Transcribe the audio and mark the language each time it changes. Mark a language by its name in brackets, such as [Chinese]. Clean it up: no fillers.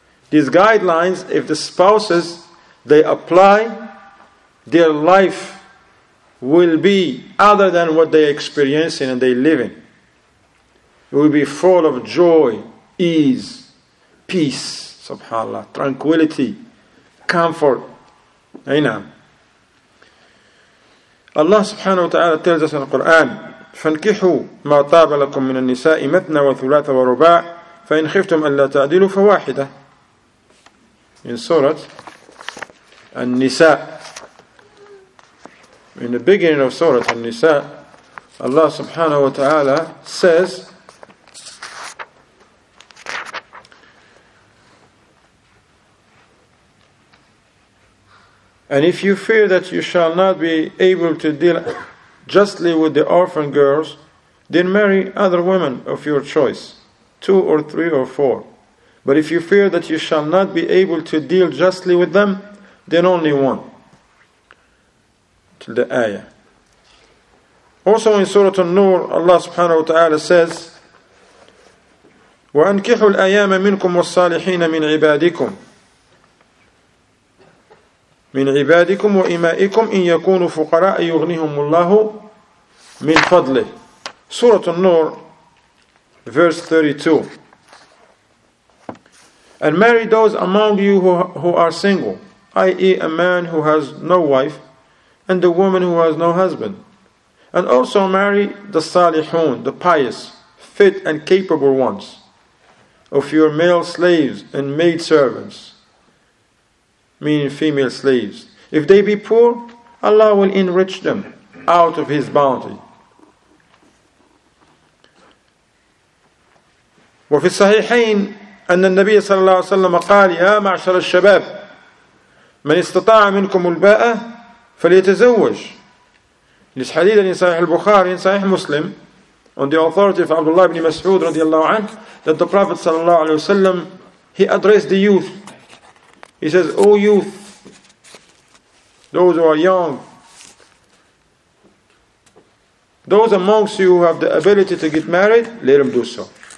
[English] These guidelines, if the spouses, they apply, their life will be other than what they're experiencing and they're living. It will be full of joy, ease, peace, subhanAllah, tranquility, comfort. Aynam. Allah subhanahu wa ta'ala tells us in the Quran, [Arabic] فَانْكِحُوا مَا طَابَ لَكُمْ مِنَ النِّسَاءِ مَثْنَى وَثُلَاثَ وَرُبَاعَ فَإِنْ خِفْتُمْ أَلَّا تَعْدِلُوا فَوَاحِدَةً. [English] In Surah An-Nisa, in the beginning of Surah An-Nisa, Allah subhanahu wa ta'ala says, and if you fear that you shall not be able to deal justly with the orphan girls, then marry other women of your choice, two or three or four. But if you fear that you shall not be able to deal justly with them, then only one. Till the ayah. Also in Surah An-Nur, Allah subhanahu wa ta'ala says, [Arabic] وَأَنْكِحُوا الْأَيَامَ مِنْكُمْ وَالصَّالِحِينَ مِنْ عِبَادِكُمْ مِنْ عِبَادِكُمْ وَإِمَائِكُمْ إِنْ يَكُونُوا فُقَرَاءَ يُغْنِهُمُ اللَّهُ مِنْ فَضْلِهِ. [English] Surah An-Nur, verse 32. And marry those among you who are single, i.e. a man who has no wife, and the woman who has no husband. And also marry the salihun, the pious, fit and capable ones, of your male slaves and maid servants, meaning female slaves. If they be poor, Allah will enrich them out of His bounty. [Arabic] وفي الصحيحين أن النبي صلى الله عليه وسلم قال يا معشر الشباب من استطاع منكم الباءة فليتزوج. [English] This hadith in Sahih al-Bukhari, in Sahih Muslim, on the authority of Abdullah ibn Mas'ud رضي الله عنه, that the Prophet صلى الله عليه وسلم, he addressed the youth. He says, O youth, those who are young, those amongst you who have the ability to get married, let them do so.